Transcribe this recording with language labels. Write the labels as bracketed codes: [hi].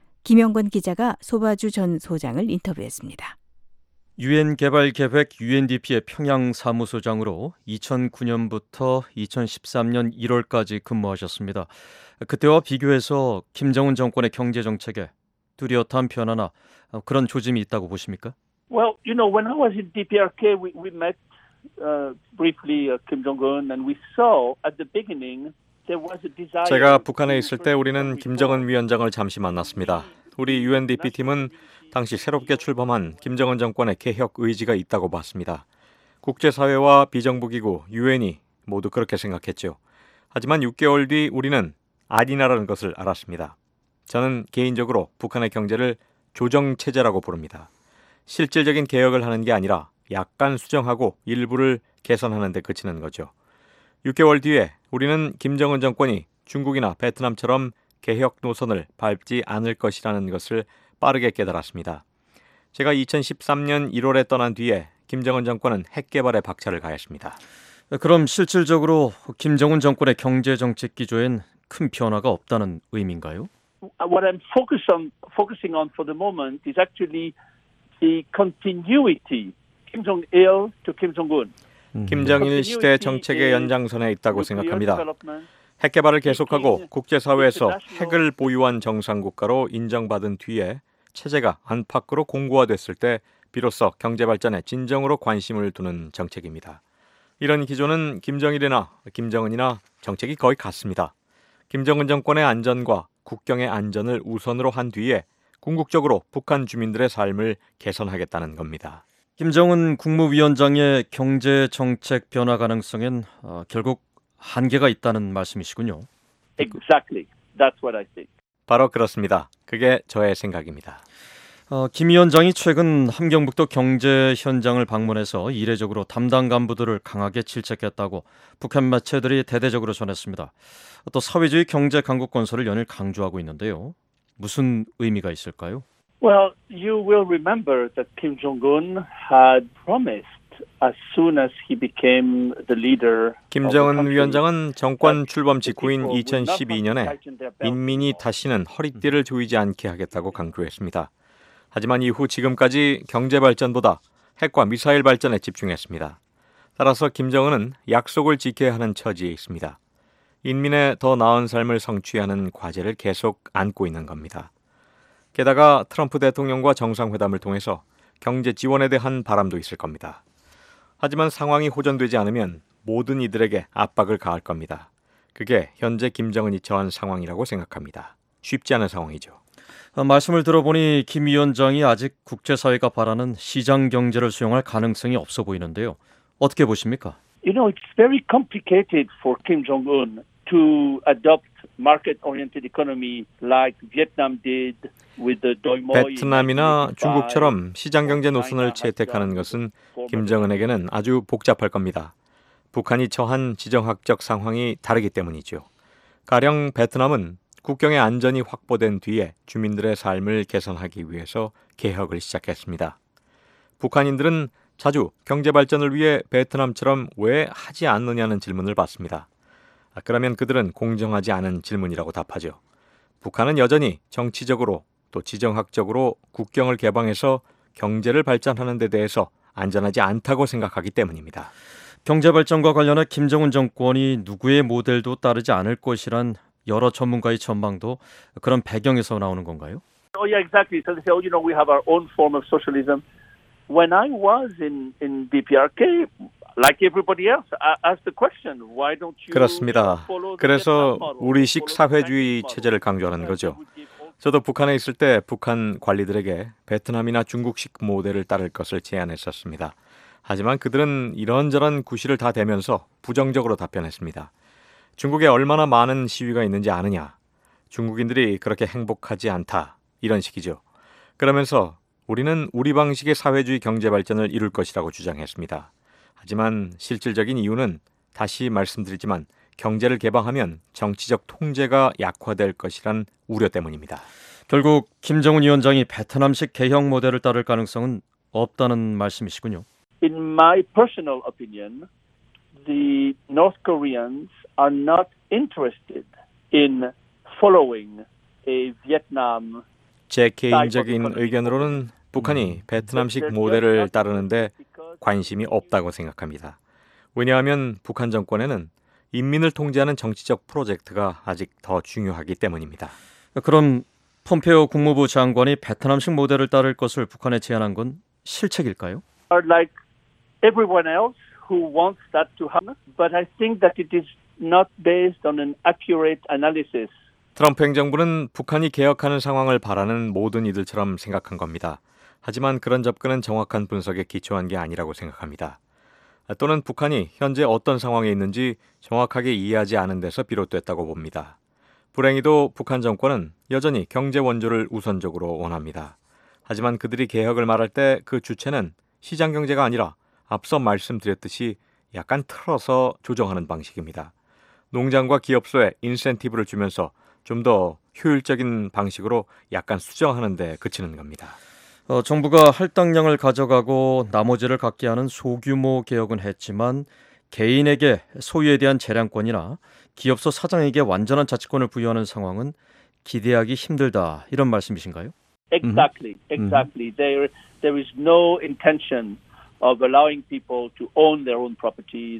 [ko] 김영건 기자가 소바주 전 소장을 인터뷰했습니다. 유엔 개발 계획 UNDP의 평양 사무소장으로 2009년부터 2013년 1월까지 근무하셨습니다. 그때와 비교해서 김정은 정권의 경제 정책에 뚜렷한 변화나 그런 조짐이 있다고 보십니까? [en] Well, you know, when I was in DPRK, we met briefly Kim Jong-un and we saw at the beginning there was a desire. [ko] 제가 북한에 있을 때 우리는 김정은 위원장을 잠시 만났습니다. 우리 UNDP 팀은 당시 새롭게 출범한 김정은 정권의 개혁 의지가 있다고 봤습니다. 국제사회와 비정부기구, 유엔이 모두 그렇게 생각했죠. 하지만 6개월 뒤 우리는 아니라는 것을 알았습니다. 저는 개인적으로 북한의 경제를 조정체제라고 부릅니다. 실질적인 개혁을 하는 게 아니라 약간 수정하고 일부를 개선하는 데 그치는 거죠. 6개월 뒤에 우리는 김정은 정권이 중국이나 베트남처럼 개혁 노선을 밟지 않을 것이라는 것을 빠르게 깨달았습니다. 제가 2013년 1월에 떠난 뒤에 김정은 정권은 핵 개발에 박차를 가했습니다. 그럼 실질적으로 김정은 정권의 경제 정책 기조엔 큰 변화가 없다는 의미인가요? [en] What I'm focusing on for the moment is actually the continuity Kim Jong-il to Kim Jong-un. [ko] 김정일 시대 정책의 연장선에 있다고 생각합니다. 핵 개발을 계속하고 국제사회에서 핵을 보유한 정상국가로 인정받은 뒤에 체제가 안팎으로 공고화됐을 때 비로소 경제발전에 진정으로 관심을 두는 정책입니다. 이런 기조는 김정일이나 김정은이나 정책이 거의 같습니다. 김정은 정권의 안전과 국경의 안전을 우선으로 한 뒤에 궁극적으로 북한 주민들의 삶을 개선하겠다는 겁니다. 김정은 국무위원장의 경제 정책 변화 가능성엔 결국 한계가 있다는 말씀이시군요. [en] Exactly. That's what I think. [ko] 바로 그렇습니다. 그게 저의 생각입니다. 김 위원장이 최근 함경북도 경제 현장을 방문해서 이례적으로 담당 간부들을 강하게 질책했다고 북한 매체들이 대대적으로 전했습니다. 또 사회주의 경제 강국 건설을 연일 강조하고 있는데요. 무슨 의미가 있을까요? [en] Well, you will remember that Kim Jong-un had promised As soon as he became the leader, [ko] 김정은 위원장은 정권 출범 직후인 2012년에 인민이 다시는 허리띠를 조이지 않게 하겠다고 강조했습니다. 하지만 이후 지금까지 경제 발전보다 핵과 미사일 발전에 집중했습니다. 따라서 김정은은 약속을 지켜야 하는 처지에 있습니다. 인민의 더 나은 삶을 성취하는 과제를 계속 안고 있는 겁니다. 게다가 트럼프 대통령과 정상회담을 통해서 경제 지원에 대한 바람도 있을 겁니다. 하지만 상황이 호전되지 않으면 모든 이들에게 압박을 가할 겁니다. 그게 현재 김정은이 처한 상황이라고 생각합니다. 쉽지 않은 상황이죠. 말씀을 들어보니 김 위원장이 아직 국제사회가 바라는 시장 경제를 수용할 가능성이 없어 보이는데요. 어떻게 보십니까? [en] You know, it's very complicated for Kim Jong-un to adopt market-oriented economy like Vietnam did with the Doi Moi. [ko] 베트남이나 중국처럼 시장 경제 노선을 채택하는 것은 김정은에게는 아주 복잡할 겁니다. 북한이 처한 지정학적 상황이 다르기 때문이죠. 가령 베트남은 국경의 안전이 확보된 뒤에 주민들의 삶을 개선하기 위해서 개혁을 시작했습니다. 북한인들은 자주 경제 발전을 위해 베트남처럼 왜 하지 않느냐는 질문을 받습니다. 그러면 그들은 공정하지 않은 질문이라고 답하죠. 북한은 여전히 정치적으로 또 지정학적으로 국경을 개방해서 경제를 발전하는 데 대해서 안전하지 않다고 생각하기 때문입니다. 경제발전과 관련해 김정은 정권이 누구의 모델도 따르지 않을 것이란 여러 전문가의 전망도 그런 배경에서 나오는 건가요? [en] Oh yeah, exactly. So they say, oh, you know, we have our own form of socialism. When I was in DPRK, like everybody else, I asked the question, why don't you? [ko] 그렇습니다. 그래서 우리식 사회주의 체제를 강조하는 거죠. 저도 북한에 있을 때 북한 관리들에게 베트남이나 중국식 모델을 따를 것을 제안했었습니다. 하지만 그들은 이런저런 구실을 다 대면서 부정적으로 답변했습니다. 중국에 얼마나 많은 시위가 있는지 아느냐? 중국인들이 그렇게 행복하지 않다. 이런 식이죠. 그러면서 우리는 우리 방식의 사회주의 경제 발전을 이룰 것이라고 주장했습니다. 하지만 실질적인 이유는 다시 말씀드리지만 경제를 개방하면 정치적 통제가 약화될 것이란 우려 때문입니다. 결국 김정은 위원장이 베트남식 개혁 모델을 따를 가능성은 없다는 말씀이시군요. [en] In my personal opinion, the North Koreans are not interested in following a Vietnam [ko] 제 개인적인 의견으로는 북한이 베트남식 모델을 따르는데 관심이 없다고 생각합니다. 왜냐하면 북한 정권에는 인민을 통제하는 정치적 프로젝트가 아직 더 중요하기 때문입니다. 그럼 폼페오 국무부 장관이 베트남식 모델을 따를 것을 북한에 제안한 건 실책일까요? [en] Like everyone else who wants that to happen, but I think that it is not based on an accurate analysis. [ko] 트럼프 행정부는 북한이 개혁하는 상황을 바라는 모든 이들처럼 생각한 겁니다. 하지만 그런 접근은 정확한 분석에 기초한 게 아니라고 생각합니다. 또는 북한이 현재 어떤 상황에 있는지 정확하게 이해하지 않은 데서 비롯됐다고 봅니다. 불행히도 북한 정권은 여전히 경제 원조를 우선적으로 원합니다. 하지만 그들이 개혁을 말할 때 그 주체는 시장 경제가 아니라 앞서 말씀드렸듯이 약간 틀어서 조정하는 방식입니다. 농장과 기업소에 인센티브를 주면서 좀 더 효율적인 방식으로 약간 수정하는 데 그치는 겁니다. 정부가 할당량을 가져가고 나머지를 갖게 하는 소규모 개혁은 했지만 개인에게 소유에 대한 재량권이나 기업소 사장에게 완전한 자치권을 부여하는 상황은 기대하기 힘들다 이런 말씀이신가요? [en] Exactly, exactly. There is no intention of allowing people to own their own property.